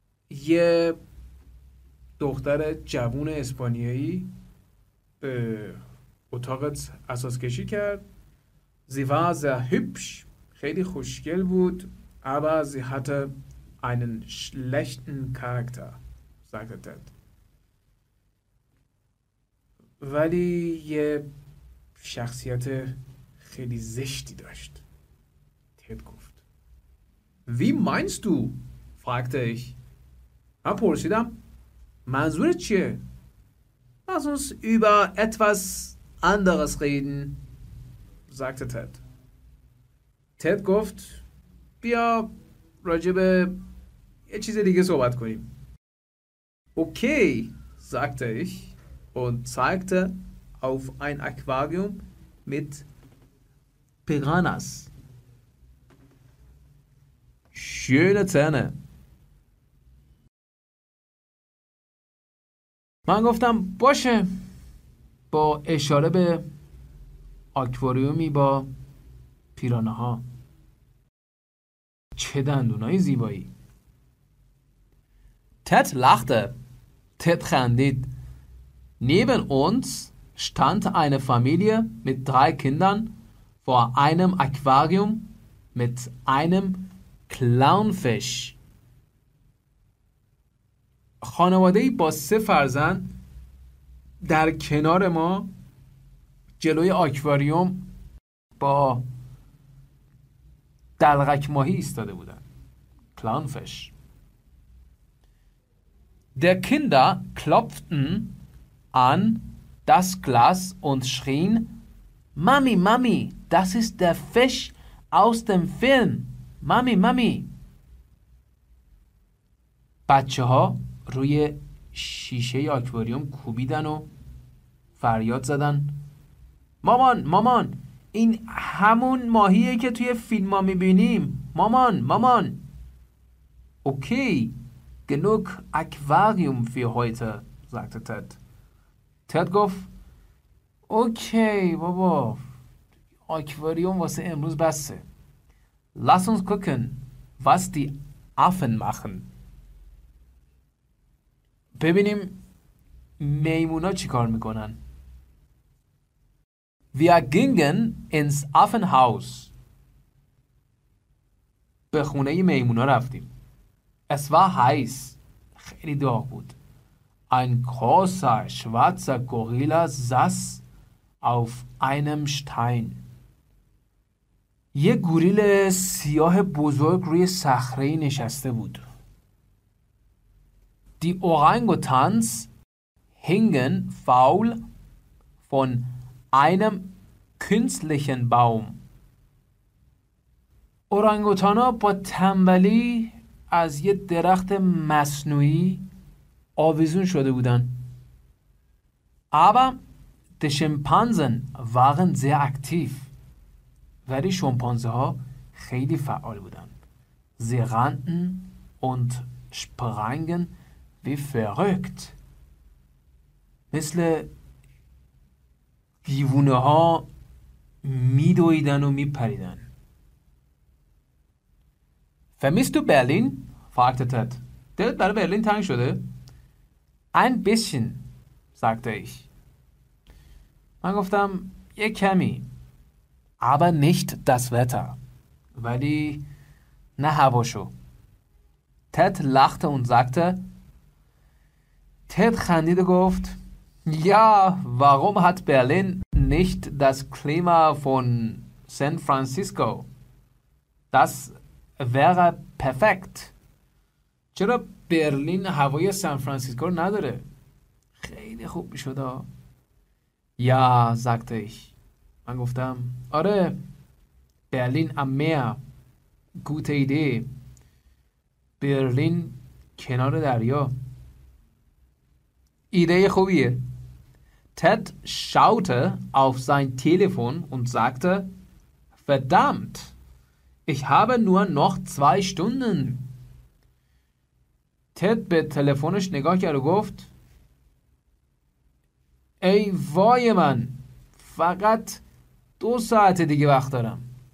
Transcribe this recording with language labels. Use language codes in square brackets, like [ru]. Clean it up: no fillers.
[fa] یه دختر جوون اسپانیایی به اتاقت اساس کشی کرد. [de] Sie war sehr hübsch, [fa] خیلی خوشگل بود, [de] aber sie hatte einen schlechten Charakter, sagte Ted. [fa] ولی یه شخصیت خیلی زشتی داشت, Ted گفت. [de] Wie meinst du? fragte ich. [fa] من پرسیدم منظورت چیه؟ [de] Lass uns über etwas anderes reden, sagte Ted. [fa] Ted گفت بیا راجب یه چیز دیگه صحبت کنیم. [de] Okay, sagte ich und zeigte auf ein Aquarium mit Piranhas. Schöne Zähne. [fa] من گفتم باشه. با اشاره به آکواریومی با پیرانه‌ها. چه دندونای زیبایی. تد لخته. تد خندید. [de] Neben uns stand eine Familie mit drei Kindern vor einem Aquarium mit einem Clownfish. [fa] خانواده با سه فرزند در کنار ما جلوی آکواریوم با دلغک ماهی ایستاده بودن. کلانفش. [de] Der Kinder klopften an das Glas und schrien: Mami, Mami, das ist der Fisch aus dem Film. Mami, Mami. [fa] بچه ها روی شیشه آکواریوم کوبیدن و فریاد زدن مامان مامان این همون ماهیه که توی فیلم ها میبینیم مامان مامان [de] اوکی گنوگ اکواریوم فی هویته زگت تد [fa] تد گفت اوکی بابا اکواریوم واسه امروز بسه [de] لاس اونس کوکن واس دی افن ماخن [fa] ببینیم میمونا چیکار میکنن [de] Wir gingen ins Affenhaus. [fa] به خونه میمونا رفتیم. [de] Es war heiß. [fa] خیلی داغ بود. [de] Ein großer schwarzer Gorilla saß auf einem Stein. [fa] یه گوریل سیاه بزرگ روی صخره نشسته بود. [de] Die Orangutans hingen faul von einem künstlichen Baum. [fa] اورانگوتانا با تنبلی از یه درخت مصنوعی آویزون شده بودن. [de] Aber die Schimpansen waren sehr aktiv. [fa] ولی شامپانزه ها خیلی فعال بودن. [de] Sie rannten und sprangen wie verrückt. [fa] مثل دیوونه ها میدویدن و میپریدن. [de] Vermisst du Berlin? Fragte Ted. [fa] دلت برای برلین تنگ شده؟ [de] Ein bisschen, sagte ich. [fa] من گفتم یه کمی. [de] Aber nicht das Wetter. [fa] ولی نه هواشو. [de] Ted lachte und sagte. Ted [fa] خندید و گفت [de] Ja, warum hat Berlin nicht das Klima von San Francisco? Das wäre perfekt. [fa] چرا برلین هوای سان فرانسیسکو رو نداره؟ خیلی خوب میشد. [de] یا sagte ich. [fa] من گفتم آره. [de] برلین am Meer. Gute Idee. [fa] برلین کنار دریا. ایده خوبیه. [de] Ted schaute auf sein Telefon und sagte, Verdammt, ich habe nur noch 2 Stunden. [fa] Ted به تلفنش نگاه کرد و گفت, ای وای من, فقط 2 ساعت دیگه وقت دارم.